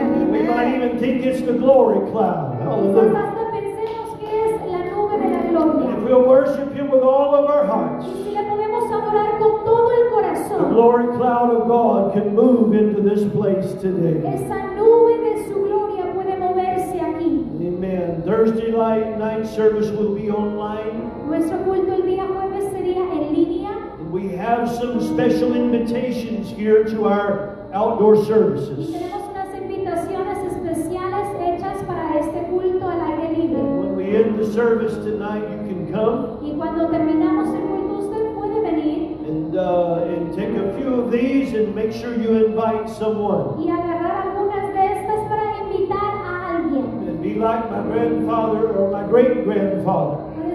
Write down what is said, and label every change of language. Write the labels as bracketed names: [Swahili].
[English] We might even think it's the glory cloud. Hallelujah. [Spanish] Hasta pensemos que es la nube de la gloria. [English] And if we'll worship Him with all of our hearts, [Spanish] y si le podemos adorar con todo el corazón, [English] the glory cloud of God can move into this place today. [Spanish] Esa nube de su gloria puede moverse aquí. [English] Amen. Thursday night service will be online. [Spanish] Nuestro culto el día jueves sería en línea. [English] We have some special invitations here to our outdoor services. [Spanish] Tenemos unas invitaciones especiales hechas para este culto al aire libre. [English] When we end the service tonight, you can come. [Spanish] Y cuando terminamos el culto, usted puede venir. [English] And take a few of these and make sure you invite someone. [Spanish] Y agarrar algunas de estas para invitar a alguien. [English] And be like my grandfather or my great-grandfather.